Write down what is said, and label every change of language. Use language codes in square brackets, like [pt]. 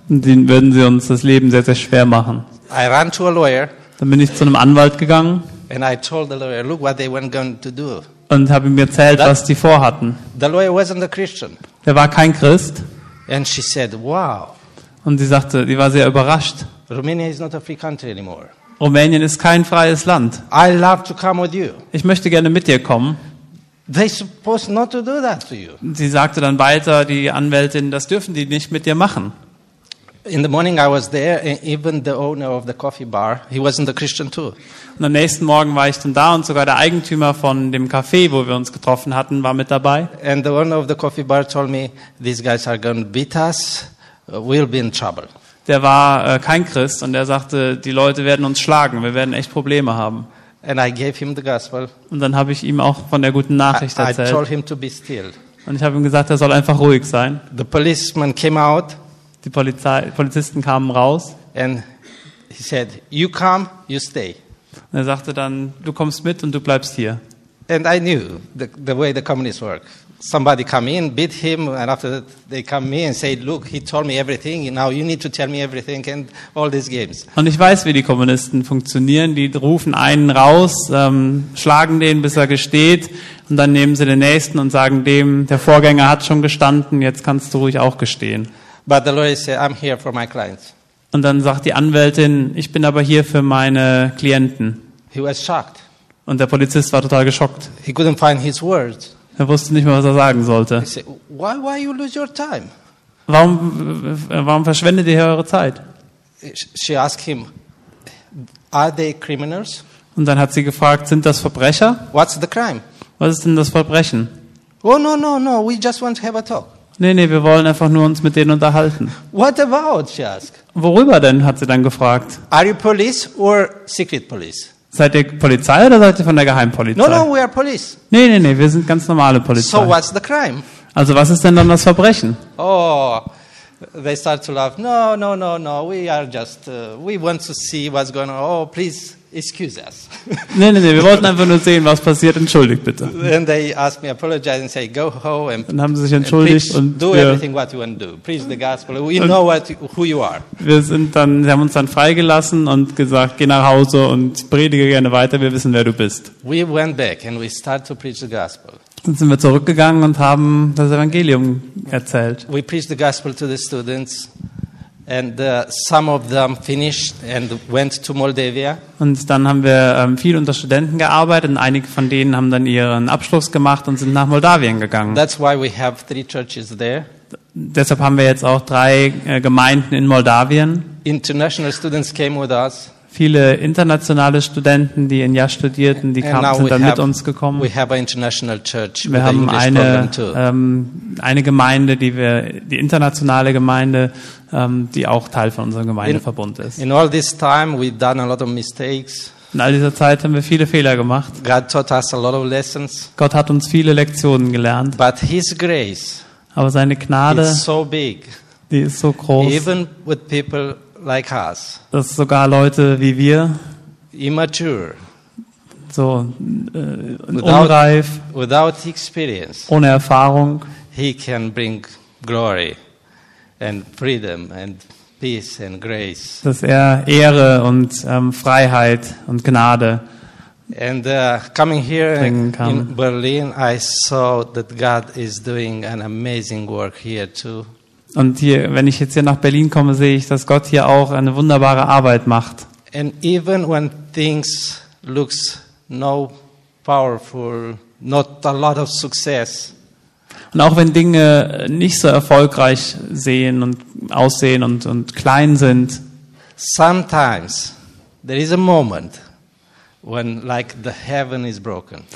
[de] Und denen würden sie uns das Leben sehr, sehr schwer machen. [en] I ran to a lawyer. [de] Dann bin ich zu einem Anwalt gegangen. [en] And I told the lawyer, look what they were going to do. [de] Und habe ihm erzählt, that, was die vorhatten. [en] The lawyer wasn't a Christian. [de] Der war kein Christ. [en] And she said, wow. [de] Und sie sagte, die war sehr überrascht. [en] Romania is not a free country anymore. [de] Rumänien ist kein freies Land. [en] I love to come with you. [de] Ich möchte gerne mit dir kommen. [en] They're supposed not to do that to you. [de] Sie sagte dann weiter, die Anwältin, das dürfen die nicht mit dir machen. [en] In the morning I was there, even the owner of the coffee bar, he wasn't a Christian too. [de] Und am nächsten Morgen war ich dann da und sogar der Eigentümer von dem Café, wo wir uns getroffen hatten, war mit dabei. [en] And the owner of the coffee bar told me, these guys are going to beat us, we'll be in trouble. [de] Der war kein Christ und er sagte, die Leute werden uns schlagen, wir werden echt Probleme haben. [en] And I gave him the gospel. [de] Und dann habe ich ihm auch von der guten Nachricht erzählt. [en] I told him to be still. [de] Und ich habe ihm gesagt, er soll einfach ruhig sein. [en] The policeman came out. [de] Die Polizisten kamen raus. [en] And he said, you come, you stay. [de] Und er sagte dann, du kommst mit und du bleibst hier. [en] And I knew the way the communists work. Somebody come in, beat him, and after that they come me and say, look, he told me everything, now you need to tell me everything and all these games. [de] Und ich weiß, wie die Kommunisten funktionieren. Die rufen einen raus, schlagen den, bis er gesteht, und dann nehmen sie den nächsten und sagen dem, der Vorgänger hat schon gestanden, jetzt kannst du ruhig auch gestehen. [en] But the lawyer said, I'm here for my clients. [de] Und dann sagt die Anwältin, ich bin aber hier für meine Klienten. [en] He was shocked. [de] Und der Polizist war total geschockt. [en] He couldn't find his words. [de] Er wusste nicht mehr, was er sagen sollte. [en] He said, why you lose your time? [de] Warum verschwendet ihr hier eure Zeit? [en] She asked him, are they criminals? [de] Und dann hat sie gefragt, sind das Verbrecher? [en] What's the crime? [de] Was ist denn das Verbrechen? [en] Oh, no, we just want to have a talk. [de] Nee, wir wollen einfach nur uns mit denen unterhalten. [en] What about, she asked? [de] Worüber denn, hat sie dann gefragt. [en] Are you police or secret police? [de] Seid ihr Polizei oder seid ihr von der Geheimpolizei? [en] No, we are police. [de] Nee, wir sind ganz normale Polizei. [en] So what's the crime? [de] Also was ist denn dann das Verbrechen? [en] Oh, they start to laugh. No, we are just, we want to see what's going on. Oh, please, excuse us. [de] Nee, wir wollten einfach nur sehen, was passiert. Entschuldigt bitte. [en] Then they ask me, apologize and say, go home. And [de] dann haben sie sich entschuldigt. [en] And preach, [de] und [en] do everything what you want to do. Preach the gospel. We know what, who you are. [de] Sie haben uns dann freigelassen und gesagt, geh nach Hause und predige gerne weiter. Wir wissen, wer du bist. [en] We went back and we start to preach the gospel. [de] Dann sind wir zurückgegangen und haben das Evangelium erzählt. [en] We preach the gospel to the students. And some of them finished and went to Moldavia. [de] Und dann haben wir viel unter Studenten gearbeitet und einige von denen haben dann ihren Abschluss gemacht und sind nach Moldawien gegangen. [en] That's why we have three churches there. [de] Deshalb haben wir jetzt auch drei Gemeinden in Moldawien. [en] International students came with us. [de] Viele internationale Studenten, die in Jahr studierten, die kamen, sind dann mit uns gekommen. [en] We have an international church. [de] Wir haben eine Gemeinde, die internationale Gemeinde, die auch Teil von unserem Gemeindeverbund ist. [en] In all this time we've done a lot of mistakes. [de] In all dieser Zeit haben wir viele Fehler gemacht. [en] God taught us a lot of lessons. [de] Gott hat uns viele Lektionen gelernt. [en] But his grace, [de] aber seine Gnade, [en] is so big. [de] Die ist so groß. [en] Even with people like us. [de] Dass sogar Leute wie wir, [en] immature, [de] so unreif, [en] without experience, [de] ohne Erfahrung, [en] he can bring glory and freedom and peace and grace. [de] Dass er Ehre und Freiheit und Gnade. [en] And coming here in Berlin, I saw that God is doing an amazing work here too. [de] Und hier, wenn ich jetzt hier nach Berlin komme, sehe ich, dass Gott hier auch eine wunderbare Arbeit macht. [en] And even when things looks no powerful, not a lot of success. [de] Und auch wenn Dinge nicht so erfolgreich sehen und aussehen und klein sind. [en] Sometimes there is a moment when like the heaven is broken.